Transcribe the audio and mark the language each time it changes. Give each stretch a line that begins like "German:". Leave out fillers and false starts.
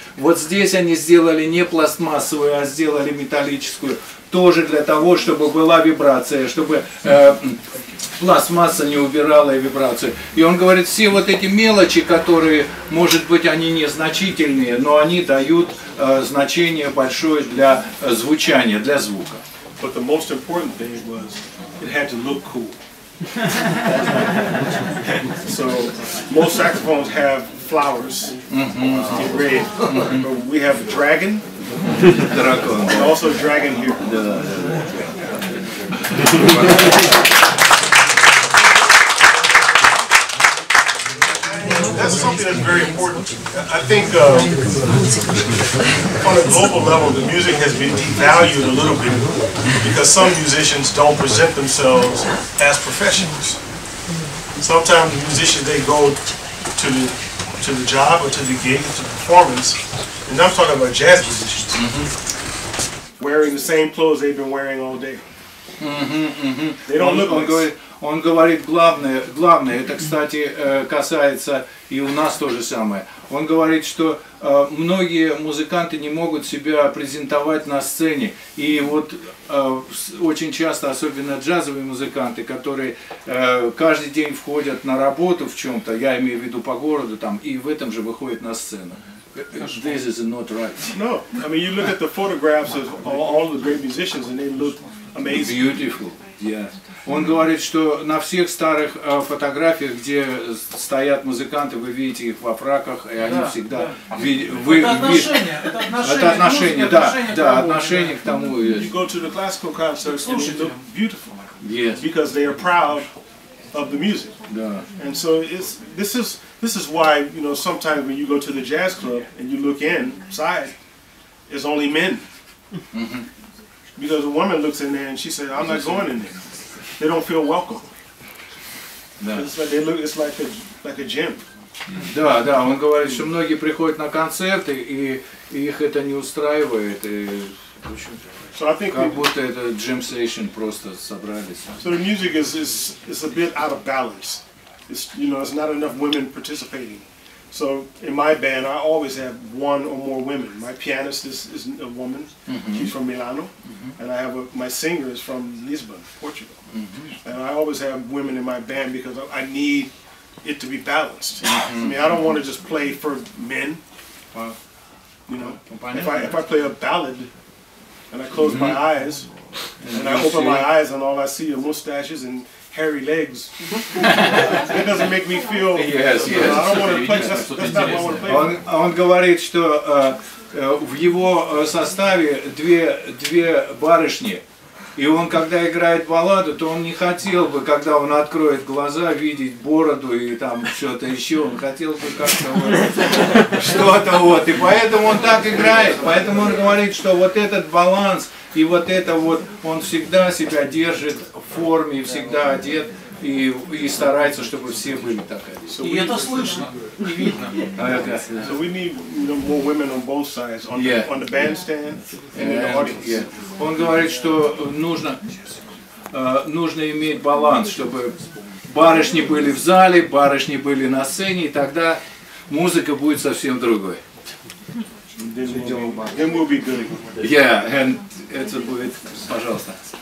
Russian: Вот здесь они сделали не пластмассовую, а сделали металлическую, тоже для того, чтобы была вибрация, чтобы пластмасса не убирала вибрацию. И он говорит, все вот эти мелочи, которые, может быть, они незначительные, но они дают значение большое для звучания, для звука.
English: But the most important thing was it had to look cool. So most saxophones have flowers in red, but we have a dragon. Dragon. And also a dragon here. That's something. something that's very important. I think on a global level, the music has been devalued a little bit because some musicians don't present themselves as professionals. Sometimes musicians, they go to the job or to the gig, to the performance, and I'm talking about jazz musicians, wearing the same clothes they've been wearing all day. They don't look like...
Russian: Он говорит главное, это, кстати, касается и у нас то же самое. Он говорит, что многие музыканты не могут себя презентовать на сцене. И вот очень часто, особенно джазовые музыканты, которые каждый день входят на работу в чем-то, я имею в виду по городу, там, и в этом же выходят на сцену.
English: This is not right. No, I mean, you look at the photographs of all the great musicians and they look amazing. Beautiful, yes.
Russian: Он говорит, что на всех старых фотографиях, где стоят музыканты, вы видите их во фраках, и они всегда... Это отношение к тому.
English: You go to the classical concerts and they look beautiful. Yes. Because they are proud of the music. Yeah. And so this is why, you know, sometimes when you go to the jazz club and you look inside, it's only men. Because a woman looks in there and she says, I'm not going in there. They don't feel welcome. No. It's like a gym.
Russian: Да, да, он говорит, что многие приходят на концерты и их это не устраивает. И, в общем,
English: so I think
Russian: как будто это
English: gym session
Russian: просто собрались.
English: So the music is a bit out of balance. It's, you know, it's not enough women participating. So in my band, I always have one or more women. My pianist is a woman. Mm-hmm. She's from Milano, and I have my singer is from Lisbon, Portugal. Mm-hmm. And I always have women in my band because I need it to be balanced. Mm-hmm. I mean, I don't want to just play for men. You know, if I play a ballad and I close my eyes and I open my eyes and all I see are mustaches and hairy legs. It doesn't make me feel. Yes, yes. I don't want to play. That's not what I want to play.
Russian: Он говорит, что в его составе две барышни. И он, когда играет балладу, то он не хотел бы, когда он откроет глаза, видеть бороду и там что-то еще. Он хотел бы как-то что-то вот. И поэтому он так играет. Поэтому он говорит, что вот этот баланс и вот это вот, он всегда себя держит в форме, всегда одет и старается, чтобы все были так одеты. И это слышно, и видно.
English: So we need more women on both sides, on the bandstand and in the audience.
Russian: Он говорит, что нужно иметь баланс, чтобы барышни были в зале, барышни были на сцене, и тогда музыка будет совсем другой.
English: Then we'll be good. Yeah, and
Russian: это будет, пожалуйста.